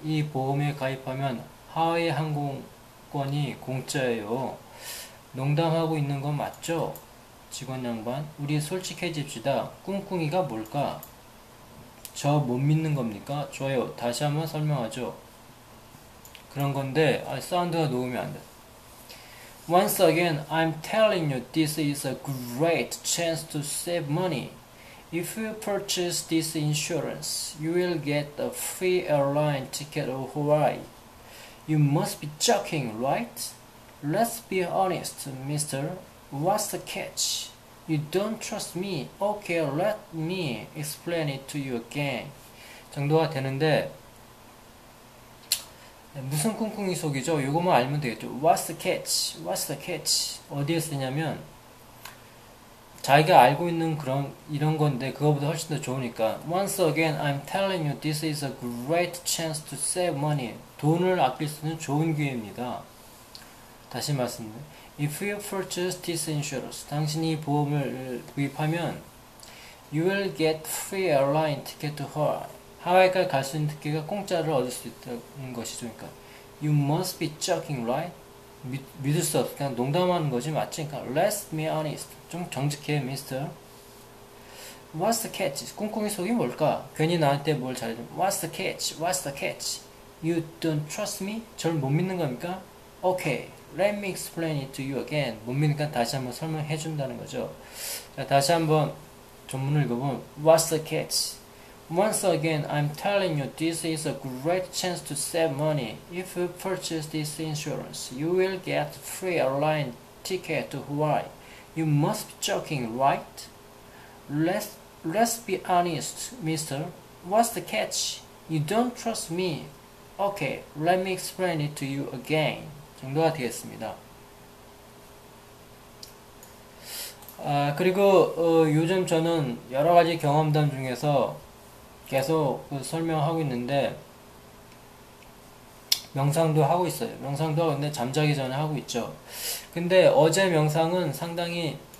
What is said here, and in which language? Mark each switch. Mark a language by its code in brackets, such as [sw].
[ko] 이 보험에 가입하면 하와이 항공권이 공짜예요. 농담하고 있는 건 맞죠? 직원 양반, 우리 솔직해집시다. 꿍꿍이가 뭘까? 저 못 믿는 겁니까? 좋아요. 다시 한번 설명하죠. 그런 건데, 아, 사운드가 녹으면 안 돼. [en] Once again, I'm telling you this is a great chance to save money. If you purchase this insurance, you will get a free airline ticket to Hawaii. You must be joking, right? Let's be honest, mister. What's the catch? You don't trust me. Okay, let me explain it to you again. [ko] 정도가 되는데 무슨 꿍꿍이 속이죠? 요거만 알면 되겠죠. [en] What's the catch? What's the catch? [ko] 어디에 쓰냐면 자기가 알고 있는 그런 이런 건데 그거보다 훨씬 더 좋으니까 [en] Once again, I'm telling you this is a great chance to save money. [ko] 돈을 아낄 수 있는 좋은 기회입니다. 다시 말씀드립니다. [en] If you purchase this insurance, [ko] 당신이 보험을 구입하면 [en] You will get free airline ticket to Hawaii. [ko] 하와이까지 갈 수 있는 티켓가 공짜를 얻을 수 있다는 것이죠. 그러니까 [en] You must be joking, right? [ko] 믿을 수 없어. 그냥 농담하는 거지 맞지? 그러니까 [en] Let's be honest. [ko] 좀 정직해, [en] mister. What's the catch? [ko] 꿍꿍이 속이 뭘까? 괜히 나한테 뭘 잘해줘. [en] What's the catch? What's the catch? You don't trust me? [ko] 저를 못 믿는 겁니까? [en] Okay. Let me explain it to you again. [ko] 못 믿으니까 다시 한번 설명해 준다는 거죠. 자, 다시 한번 전문을 읽어보면 [en] What's the catch? Once again, I'm telling you this is a great chance to save money. If you purchase this insurance, you will get free airline ticket to Hawaii. You must be joking, right? Let's be honest, mister. What's the catch? You don't trust me. Okay, let me explain it to you again. [ko] 정도가 되겠습니다. 아, 그리고 요즘 저는 여러가지 경험담 중에서 계속 설명하고 있는데 명상도 하고 있어요. 명상도 하고 있는데 잠자기 전에 하고 있죠. 근데 어제 명상은 상당히